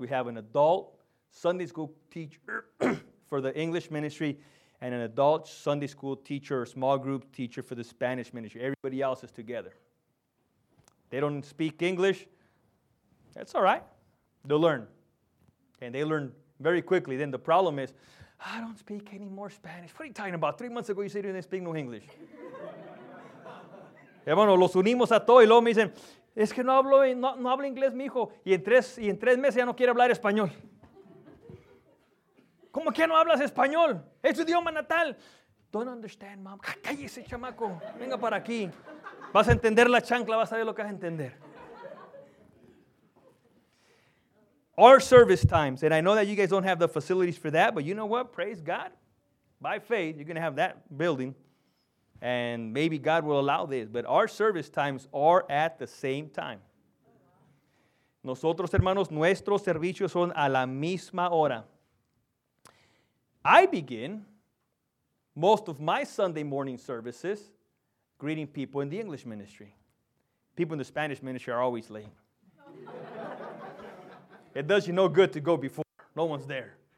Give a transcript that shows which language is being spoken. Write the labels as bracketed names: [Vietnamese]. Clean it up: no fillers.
[English] We have an adult Sunday school teacher for the English ministry and an adult Sunday school teacher or small group teacher for the Spanish ministry. Everybody else is together. They don't speak English. That's all right. They'll learn. And they learn very quickly. Then the problem is, I don't speak any more Spanish. What are you talking about? 3 months ago you said you didn't speak no English. [Spanish] Hermano, los unimos a todos y luego me dicen, es que no hablo inglés, mijo. Y en tres meses ya no quiere hablar español. ¿Cómo que no hablas español? Es tu idioma natal. [English] Don't understand, mom. [Spanish] Cállese, chamaco. Venga para aquí. Vas a entender la chancla, vas a ver lo que vas a entender. [English] Our service times, and I know that you guys don't have the facilities for that, but you know what? Praise God. By faith, you're going to have that building. And maybe God will allow this, but our service times are at the same time. [Spanish] Nosotros, hermanos, nuestros servicios son a la misma hora. [English] I begin most of my Sunday morning services greeting people in the English ministry. People in the Spanish ministry are always late. It does you no good to go before. No one's there.